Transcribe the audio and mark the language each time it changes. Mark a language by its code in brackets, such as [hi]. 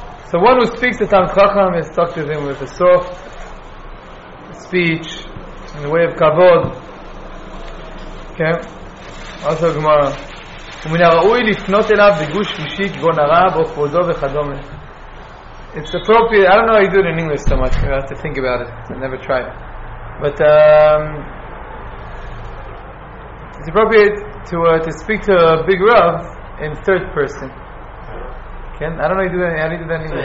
[en] So one who speaks to Talmid Chacham is talking to him with a soft speech in the way of Kavod. Okay. Also, Gemara. [he] ומן הראוי לפנות אליו בגוש שלישי כגון הרב או כבודו וכדומה. [en] It's appropriate. I don't know how you do it in English so much. I have to think about it. I never tried. But it's appropriate to speak to a big rav in third person. Can I don't know how you do that. I need to do that in English.